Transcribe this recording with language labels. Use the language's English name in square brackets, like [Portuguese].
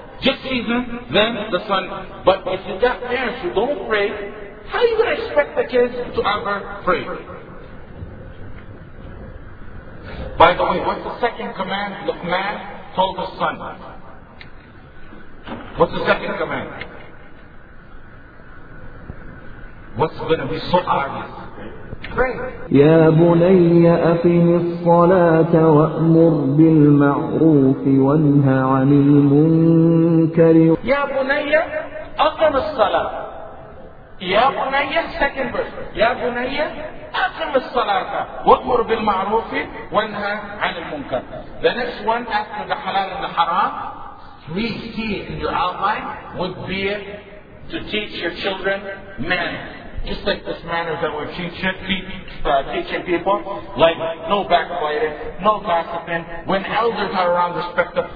[English] Just season, then the son. But if you've got parents who don't pray, how are you going to expect the kids to ever pray? By the way, what's the second command Luqman told the son? What's the second command? What's going to be so obvious? [Arabic] يا بني أقم الصلاة وأمر بالمعروف وانهى عن المنكر. يا بني أقم الصلاة. يا بني [English] second verse. [Arabic] يا بني أقم الصلاة وأمر بالمعروف وانهى عن المنكر. [English] The next one after the halal and the haram, we see in your outline would be to teach your children manners. Just like this manners that we're teaching people, like no backbiting, no gossiping, when elders are around, respect them.